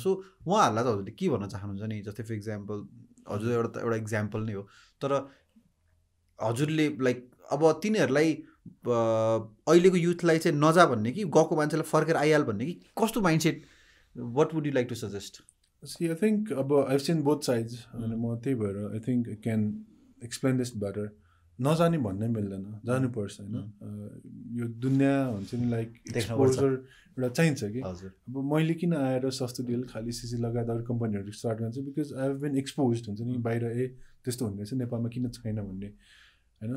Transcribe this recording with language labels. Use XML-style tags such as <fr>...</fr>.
<ne>So उहाँहरूलाई त हजुरले के भन्न चाहनुहुन्छ नि, जस्तै फर इक्जाम्पल हजुर एउटा एउटा इक्जाम्पल नै हो तर हजुरले लाइक अब तिनीहरूलाई अहिलेको युथलाई चाहिँ नजा भन्ने कि गएको मान्छेलाई फर्केर आइहाल भन्ने कि कस्तो mind set, what would you like to suggest?</ne> <en>See I think अब I seen both sides अनि म त्यही भएर I think I can explain this better.</en> <ne>नजाने भन्नै मिल्दैन, जानुपर्छ होइन. यो दुनियाँ हुन्छ नि लाइक एक्सपोजर एउटा चाहिन्छ कि. हजुर अब मैले किन आएर सस्तो डिल खालि सिसी लगायत अरू कम्पनीहरू स्टार्ट गर्छु, because I have been expose हुन्छ नि बाहिर ए त्यस्तो हुने रहेछ नेपालमा किन छैन भन्ने होइन.</ne>